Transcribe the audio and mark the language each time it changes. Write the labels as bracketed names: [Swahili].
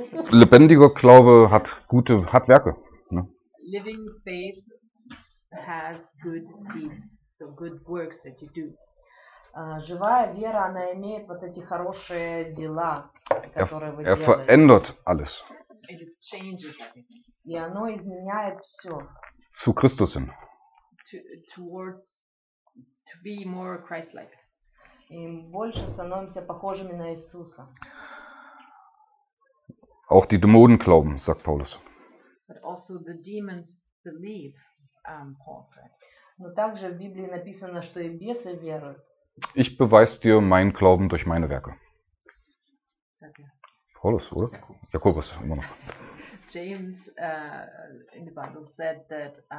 [German] Lebendiger Glaube hat Werke. Ne? [English] Living faith has good deeds, so good works that you do. [Russian] Живая вера, она имеет вот эти хорошие дела, которые вы делаете. [German] Er verändert alles. [English] It changes everything. [Russian] И оно изменяет все. [German] Zu Christus hin. [English] To be more Christ-like. [Russian] И больше становимся похожими на Иисуса. [German] Auch die Dämonen glauben, sagt Paulus. [English] But also the demons believe, Paul said. [Russian] Но также в Библии написано, что и бесы веруют. [German] Ich beweise dir meinen Glauben durch meine Werke. [English] Okay. [German] Paulus, oder? Jakobus, immer noch. [English] James in the Bible said that